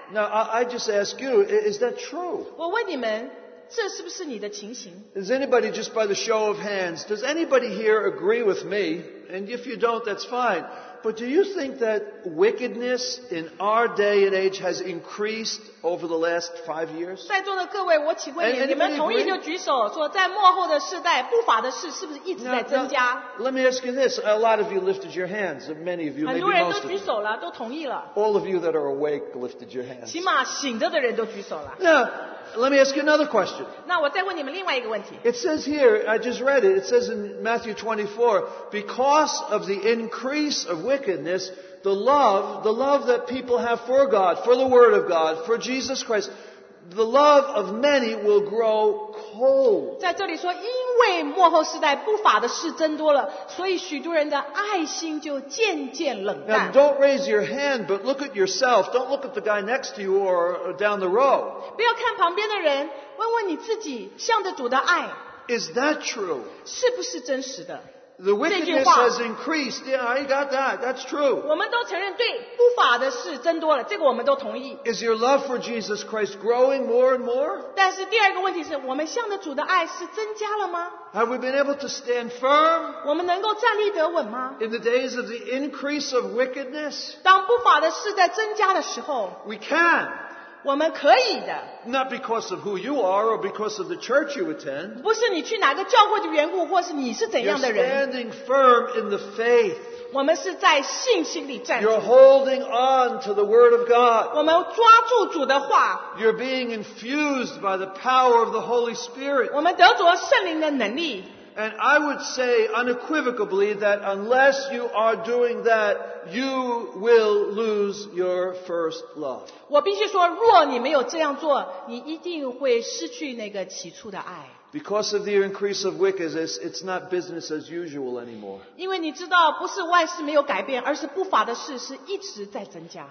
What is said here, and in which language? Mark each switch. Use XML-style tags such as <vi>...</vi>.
<en>Now I just ask you, is that true?</en> <zh>我问你们。这是不是你的情形?</zh> <en>Is anybody, just by the show of hands, does anybody here agree with me? And if you don't, that's fine. But do you think that wickedness in our day and age has increased over the last 5 years?</en> <zh>在座的各位，我请问你，你们同意就举手，说在末后的世代，不法的事是不是一直在增加？</zh> <en>Now, let me ask you this. A lot of you lifted your hands, many of you, maybe most of you.</en> <zh>很多人都举手了，都同意了。</zh> <en>All of you that are awake lifted your hands.</en> <zh>起码醒着的人都举手了。</zh> <en>Now, let me ask you another question.</en> <zh>那我再问你们另外一个问题。</zh> <en>It says here, I just read it, it says in Matthew 24, because of the increase of wickedness, the love that people have for God, for the Word of God, for Jesus Christ, the love of many will grow cold.</en> <zh>在这里说，因为末后世代不法的事增多了，所以许多人的爱心就渐渐冷淡。</zh> <en>Now, don't raise your hand, but look at yourself. Don't look at the guy next to you or down the row.</en> <zh>不要看旁边的人，问问你自己，向着主的爱。</zh> <en>Is that true?</en> <zh>是不是真实的？</zh> <en>The wickedness has increased. Yeah, I got that. That's true.</en> <zh>我们都承认对不法的事增多了，这个我们都同意。</zh> <en>Is your love for Jesus Christ growing more and more?</en> <zh>但是第二个问题是，我们向着主的爱是增加了吗？</zh> <en>Have we been able to stand firm?</en> <zh>我们能够站立得稳吗？</zh> <en>In the days of the increase of wickedness?</en> <zh>当不法的事在增加的时候，</zh> <en>we can.</en> <zh>我们可以的。</zh> <en>Not because of who you are or because of the church you attend.</en> <zh>不是你去哪个教会的缘故，或是你是怎样的人。</zh> <en>You're standing firm in the faith.</en> <zh>我们是在信心里站。</zh> <en>You're holding on to the word of God.</en> <zh>我们抓住主的话。</zh> <en>You're being infused by the power of the Holy Spirit.</en> <zh>我们得着圣灵的能力。</zh> <en>And I would say unequivocally that unless you are doing that, you will lose your first love.</en> <zh>我必须说，若你没有这样做，你一定会失去那个起初的爱。</zh> <en>Because of the increase of wickedness, it's not business as usual anymore.</en> <zh>因为你知道，不是万事没有改变，而是不法的事是一直在增加。</zh>